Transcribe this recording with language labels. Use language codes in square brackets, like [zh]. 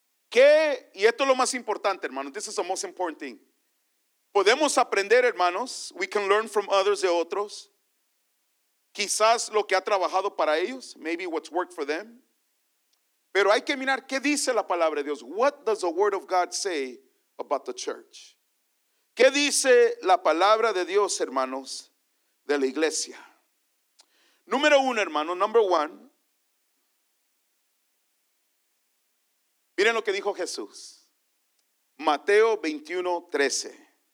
[es] ¿Qué? Y esto es lo más importante, hermanos. [en] This is the most important thing. [es] Podemos aprender, hermanos. [en] We can learn from others, [es] de otros. Quizás lo que ha trabajado para ellos. [en] Maybe what's worked for them. [es] Pero hay que mirar qué dice la palabra de Dios. [en] What does the word of God say about the church? [es] ¿Qué dice la palabra de Dios, hermanos, de la iglesia? Número uno, hermano, [en] number one. [es] Miren lo que dijo Jesús. Mateo 21, 13.